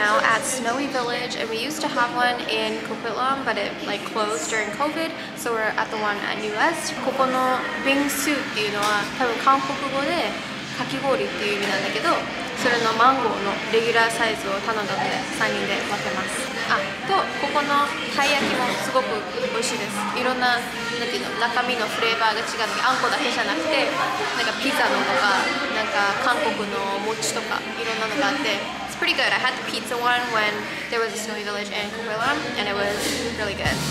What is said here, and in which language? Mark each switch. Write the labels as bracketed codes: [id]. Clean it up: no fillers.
[en] Village, and we used to have one in Coquitlam, but it like closed during COVID, so we're at the one at New West. [ja] ここの冰酒っていうのは多分韓国語でかき氷っていう意味なんだけど、それのマンゴーのレギュラーサイズを頼んだので3人で分けます。あと、ここのたい焼きもすごく美味しいです。いろんな、なんていうの、中身のフレーバーが違って、あんこだけじゃなくてなんかピザのとか、なんか韓国の餅とかいろんなのがあって、 [en] pretty good. I had the pizza one when there was a snowy village in Coquitlam, and it was really good.